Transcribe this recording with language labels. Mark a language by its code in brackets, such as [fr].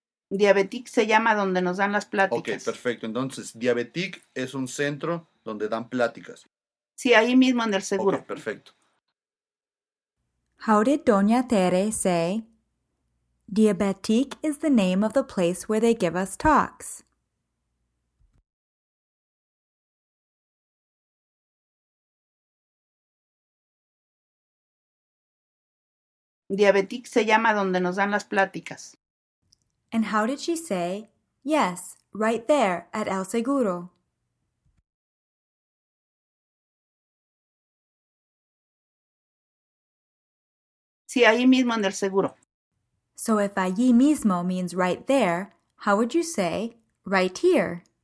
[es] Diabetic se llama donde nos dan las pláticas. Ok, perfecto. Entonces, diabetic es un centro donde dan pláticas. Sí, ahí mismo en el seguro. Ok, perfecto. [en] How did Doña Tere say, Diabetic is the name of the place where they give us talks? [es] Diabetic se llama donde nos dan las pláticas. [en] And how did she say, yes, right there at El Seguro? [es] Sí, ahí mismo en el seguro. [en] So if allí mismo means right there, how would you say right here?